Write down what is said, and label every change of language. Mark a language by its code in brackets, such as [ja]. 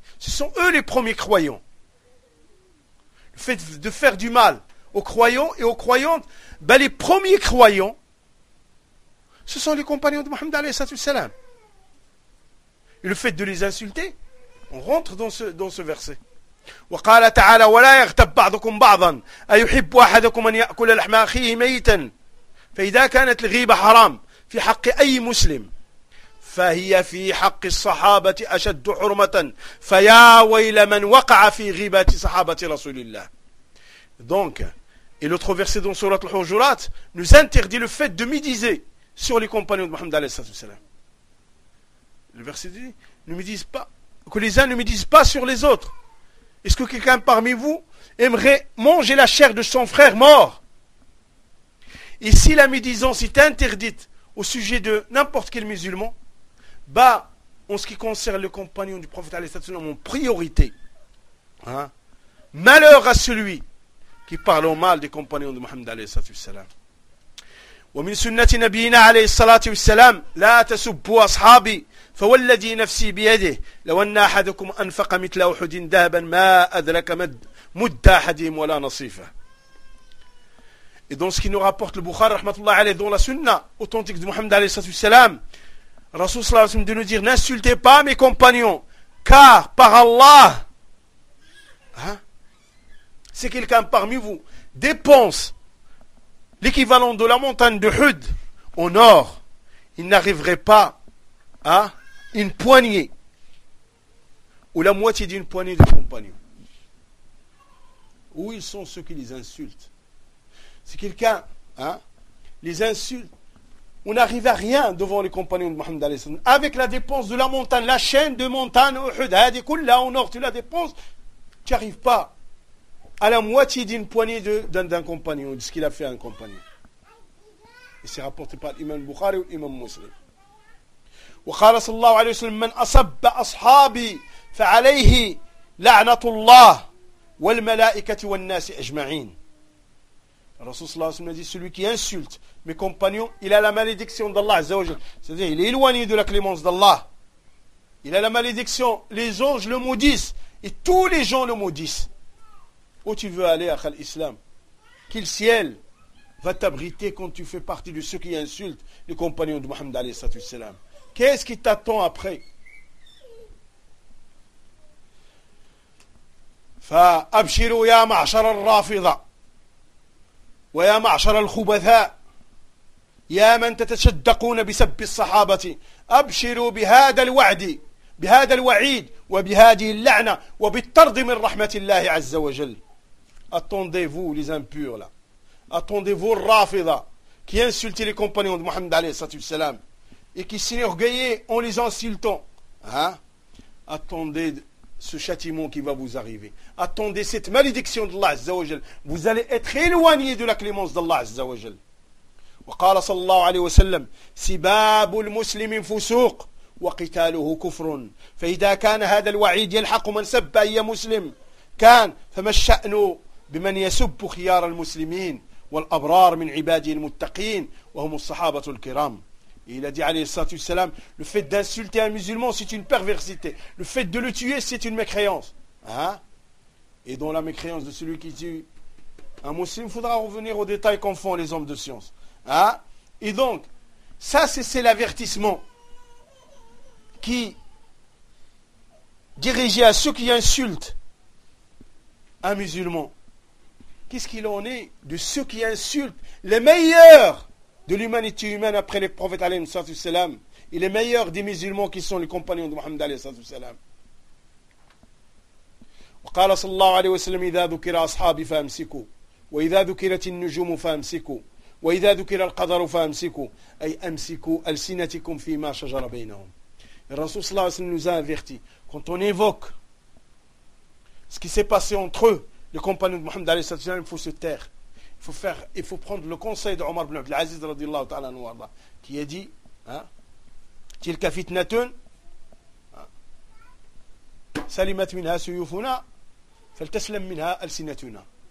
[fr] Ce sont eux les premiers croyants. Le fait de faire du mal aux croyants et aux croyantes, ben les premiers croyants, ce sont les compagnons de Mohammed alayhi salatu salam. Et le fait de les insulter, on rentre dans ce verset. [ar] وقال تعالى ولا يغتب بعضكم بعضا أيحب أحدكم أن يأكل لحم أخيه ميتا فإذا كانت الغيبة حرام في حق أي مسلم فهي في حق الصحابة أشد حرمة فيا ويل من وقع في غيبة صحابة رسول الله. [fr] Donc, et l'autre verset dans sourate Al-Hujurat nous interdit le fait de médiser sur les compagnons de Mohammed alayhi salam. Le verset dit ne médise pas, que les uns ne médisent pas sur les autres. Est-ce que quelqu'un parmi vous aimerait manger la chair de son frère mort? Et si la médisance est interdite au sujet de n'importe quel musulman, en ce qui concerne le compagnon du prophète alayhi salatu wasalam, en priorité, hein, malheur à celui qui parle au mal des compagnons de Mohammed alayhi salatu wasalam. [ar] Wa min sunnati nabiyyina alayhi salatu wasalam la tasubbu ashabi. فوالذي نفسي بيده لو أن أحدكم أنفق مثل أحد ذهبا ما أدرك مد أحدهم ولا نصيفة. [fr] Et dans ce qui nous rapporte le Bukhari rahmatullah alayhi dans la sunna authentique de Mohammed alayhi salatu wasalam, Rasoul sallallahu alayhi wa sallam de nous dire n'insultez pas mes compagnons car par Allah, hein, si quelqu'un parmi vous dépense l'équivalent de la montagne de Hud en or, il n'arriverait pas à une poignée ou la moitié d'une poignée de compagnons. Où ils sont ceux qui les insultent? Si quelqu'un, hein, les insulte, on n'arrive à rien devant les compagnons de Mohammed alayhi salam. Avec la dépense de la montagne, la chaîne de montagne, Uhud, là en or, tu la dépenses, tu n'arrives pas à la moitié d'une poignée d'un compagnon, de ce qu'il a fait à un compagnon. Et c'est rapporté par l'imam Bukhari ou l'imam Muslim. [ar] وقال صلى الله عليه وسلم من أصب أصحابي فعليه لعنة الله والملائكة والناس أجمعين. [fr] الرسول صلى الله عليه وسلم dit celui qui insulte mes compagnons il a la malédiction d'Allah عز وجل, c'est-à-dire il est éloigné de la clémence d'Allah, il a la malédiction, les anges le maudissent et tous les gens le maudissent. Où tu veux aller akhal islam? Quel ciel va t'abriter quand tu fais partie de ceux qui insultent les compagnons de Mohammed عليه الصلاة والسلام? Qu'est-ce qui t'attend après? [ar] Fa abshiru ya ma'shar al-rafida wa ya ma'shar al-khubatha يا من تتشدقون بسب الصحابة أبشروا بهذا الوعد بهذا الوعيد وبهذه اللعنة وبالطرد من رحمة الله عز وجل. [fr] Attendez-vous les impurs là. Attendez-vous Rafida qui insultait les compagnons de Mohammed عليه الصلاة والسلام et qui s'enorgueillait en les insultant. Hein? Attendez ce châtiment qui va vous arriver. Attendez cette malédiction d'Allah عز وجل. Vous allez être éloignés de la clémence d'Allah عز وجل. [ar] وقال صلى الله عليه وسلم سباب المسلم فسوق وقتاله كفر فإذا كان هذا الوعيد يلحق من سب أي مسلم كان فما الشأن بمن يسب خيار المسلمين والأبرار من عباده المتقين وهم الصحابة الكرام. [fr] Il a dit عليه الصلاة والسلام le fait d'insulter un musulman c'est une perversité, le fait de le tuer c'est une mécréance, hein? Et dans la mécréance de celui qui tue un muslim, faudra revenir aux détails qu'en font les hommes de science. Hein? Et donc, ça c'est l'avertissement qui dirigeait à ceux qui insultent un musulman. Qu'est-ce qu'il en est de ceux qui insultent les meilleurs de l'humanité humaine après les prophètes alayhi sallallahu alayhi wa sallam et les meilleurs des musulmans qui sont les compagnons de Mohammed alayhi sallallahu alayhi wa sallam. [ar] وقال صلى الله عليه وسلم إذا ذكر أصحابي فأمسكوا وإذا ذكرت النجوم فأمسكوا وإذا ذكر القدر فأمسكوا أي أمسكوا ألسنتكم فيما شجر بينهم. [fr] الرسول صلى الله عليه وسلم nous a averti quand on évoque ce qui s'est passé entre eux les compagnons de Mohammed عليه الصلاة والسلام, il faut se taire, il faut prendre le conseil de Omar ibn Abdel Aziz رضي الله تعالى عنه وارضاه qui a dit [ar] تلك فتنة سلمت منها سيوفنا فلتسلم منها ألسنتنا.